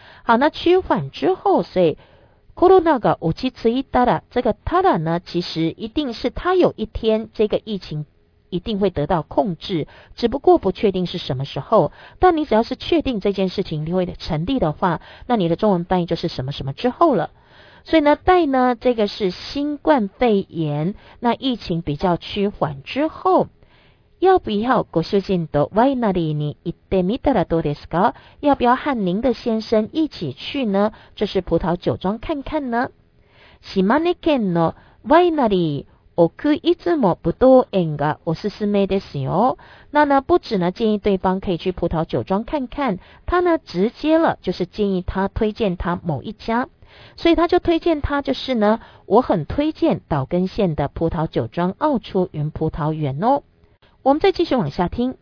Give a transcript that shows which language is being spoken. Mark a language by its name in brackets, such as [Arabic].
[Chinese] 好，那趋缓之后，所以 [Japanese] コロナが落ち着いたら， [Chinese] 这个たら呢其实一定是它有一天这个疫情一定会得到控制，只不过不确定是什么时候，但你只要是确定这件事情会成立的话，那你的中文翻译就是什么什么之后了。所以呢，待呢，这个是新冠肺炎，那疫情比较趋缓之后， [Japanese] 要不要ご主人とワイナリーに行ってみたらどうですか？ [Chinese] 要不要和您的先生一起去呢？这是葡萄酒庄看看呢。 [Japanese] 島根県のワイナリー奥出雲葡萄園がおすすめですよ。 [Chinese] 那呢不止呢建议对方可以去葡萄酒庄看看，他呢直接了就是建议他推荐他某一家，所以他就推荐他就是呢我很推荐岛根县的葡萄酒庄奥出云葡萄园哦。我们再继续往下听。